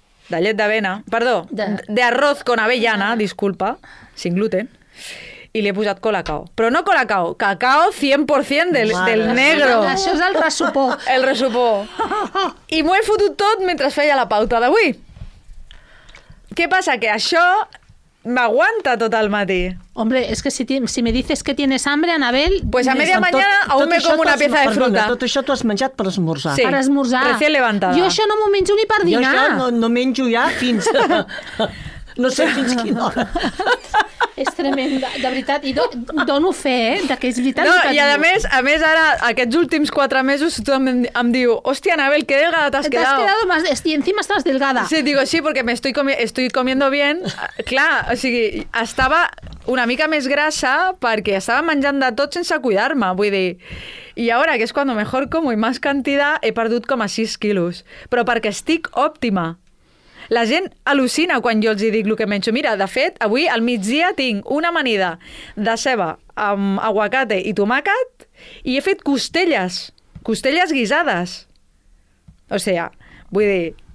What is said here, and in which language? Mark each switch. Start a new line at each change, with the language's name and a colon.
Catalan: De llet d'avena, perdó,
Spanish: d'arroz con avellana,
Catalan: disculpa,
Spanish: sin gluten,
Catalan: i li he posat Colacao. Però no Colacao, cacao 100% del negro. Això és el ressupó. El ressupó. I m'ho he fotut tot mentre feia la pauta d'avui. Què passa? Que això m'aguanta tot el matí.
Spanish: Hombre, es que si me dices que tienes hambre, Anabel... Pues a media mañana aún me como una pieza de fruta.
Catalan: Tot això t'ho has menjat per esmorzar. Sí. Per esmorzar.
Spanish: Recién levantada.
Catalan: Jo això no m'ho menjo ni per dinar. Jo això no menjo ja fins... No sé fins quina hora. És tremenda, de veritat. I dono fe, que és veritat. No, i a més, ara, aquests últims 4 mesos, tothom em diu, hòstia, Anabel,
Spanish: que delgada
Catalan: t'has quedat. T'has quedat más... I encima estàs delgada.
Spanish: Sí, digo, sí, perquè estoy comiendo bien.
Catalan: Clar, o sigui, estava una mica més grassa perquè estava menjant de tot sense cuidar-me, vull dir. I ara, que és quan
Spanish: mejor como y más cantidad,
Catalan: he perdut com a 6 quilos. Però perquè estic òptima. La gent al·lucina quan jo els dic el que menjo. Mira, de fet, avui al migdia tinc una amanida de ceba amb aguacate i tomàquet i he fet costelles guisades.
Spanish: O sea,
Catalan: vull dir...